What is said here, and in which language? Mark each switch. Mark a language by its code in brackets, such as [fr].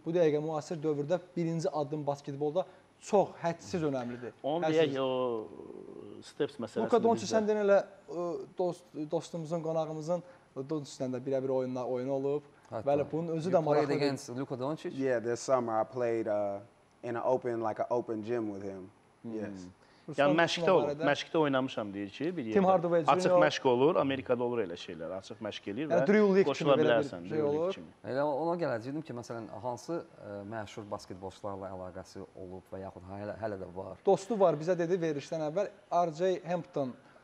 [az] Bu dəqiqə müasir dövrdə birinci addım basketbolda çox hədsiz önəmlidir. Onu deyək o steps məsələsi. Luka Doncic sən denə elə dostumuzun, qonağımızın Doncic-dən də birə-bir oyunu olub. Bəli, bunun özü də maraqlıdır. [en] You played against Luka Doncic? Yeah, this summer I played in an open, like an open gym with him. Yes. [az] Yəni məşqdə oynamışam deyir ki, bir yerdə. [en] Tim Hardaway Jr. [az] Açıq məşq olur, Amerikada olur elə şeylər. Açıq məşq eləyir və qoşula bilərsən. Elə ona gələcəkdim ki, məsələn, hansı məşhur basketbolçularla əlaqəsi olub və yaxud hələ də var? Dostu var, bizə dedi verilişdən əvvəl RJ Hampton.